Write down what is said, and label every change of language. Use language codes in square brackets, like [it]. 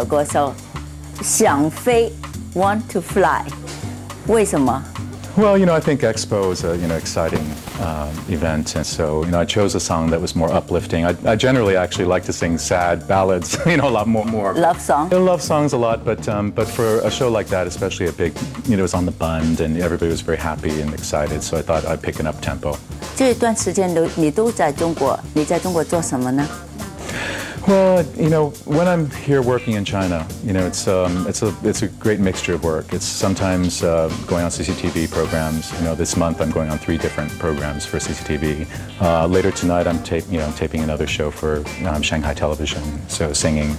[zh] 费翔，你在世博会倒数三十天的音乐会里面，你选了一首歌叫《想飞》 (Want to Fly)， 为什么 [en] ？Well, you know, I think Expo is a exciting event, and so you know, I chose a song that was more uplifting. I generally actually like to sing sad ballads, you know, a lot more love song. I love songs a lot, but for a show like that, especially a big, you know, it was on the Bund, and everybody was very happy and excited, so I thought I'd pick an up tempo. [zh] 这段时间都你都在中国，你在中国做什么呢？ [en] Well, you know, when I'm here working in China, you know, it's a great mixture of work. It's sometimes going on CCTV programs. You know, this month I'm going on three different programs for CCTV. Later tonight I'm taping another show for Shanghai Television. So singing.